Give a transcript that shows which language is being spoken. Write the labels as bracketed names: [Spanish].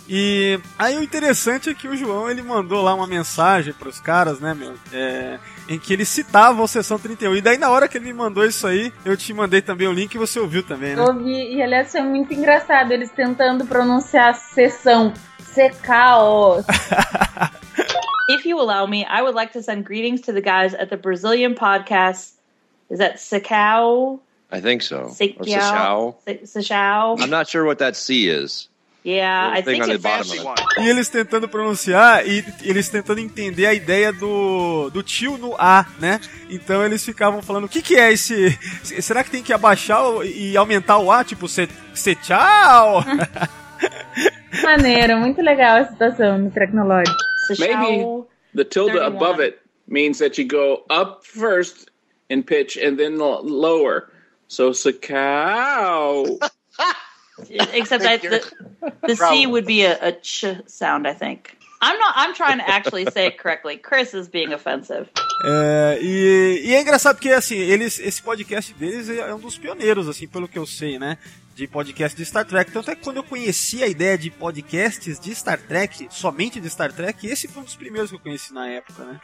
[Portuguese] E aí o interessante é que o João, ele mandou lá uma mensagem pros caras, né, meu? Em que ele citava o Seção 31. E daí, na hora que ele me mandou isso aí, eu te mandei também o link e você ouviu também, né? Ouvi. E, aliás, foi muito engraçado eles tentando pronunciar Seção. Secao. [English] If you allow me, I would like to send greetings to the guys at the Brazilian podcast. Is that Secao? I think so. Secao. I'm not sure what that C is. Yeah, I think it's the bottom of it. [Portuguese] E eles tentando pronunciar e eles tentando entender a ideia do tio no A, né? Então eles ficavam falando, o que que é esse... Será que tem que abaixar e aumentar o A? Tipo, se tchau? Maneiro, muito legal a situação no Treknologic. [English] Maybe the tilde 31. Above it means that you go up first in pitch and then lower. So, se cow. Except the C would be a ch sound, I think. I'm trying to actually say it correctly. Chris is being offensive. [Portuguese] E é engraçado porque, assim, esse podcast deles é um dos pioneiros, assim, pelo que eu sei, né? de podcast de Star Trek. Tanto é que quando eu conheci a ideia de podcasts de Star Trek, somente de Star Trek, esse foi um dos primeiros que eu conheci na época, né?